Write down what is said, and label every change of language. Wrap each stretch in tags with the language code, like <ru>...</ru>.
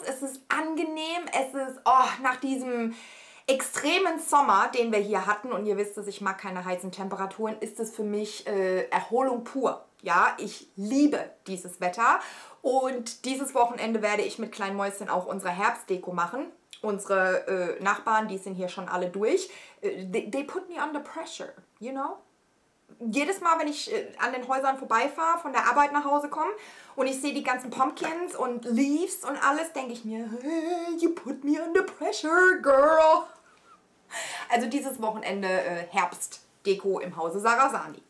<de>Es ist angenehm. Es ist, oh, nach diesem extremen Sommer, den wir hier hatten, und ihr wisst es, ich mag keine heißen Temperaturen, ist es für mich Erholung pur. Ja, ich liebe dieses Wetter. Und dieses Wochenende werde ich mit kleinen Mäuschen auch unsere Herbstdeko machen. Unsere Nachbarn, die sind hier schon alle durch.</de> <en>They put me under pressure, you know?</en> <de>Jedes Mal, wenn ich an den Häusern vorbeifahre, von der Arbeit nach Hause komme und ich sehe die ganzen Pumpkins und Leaves und alles, denke ich mir,</de> <en>hey, you put me under pressure, girl.</en> <de>Also dieses Wochenende Herbstdeko im Hause Sarasani.</de>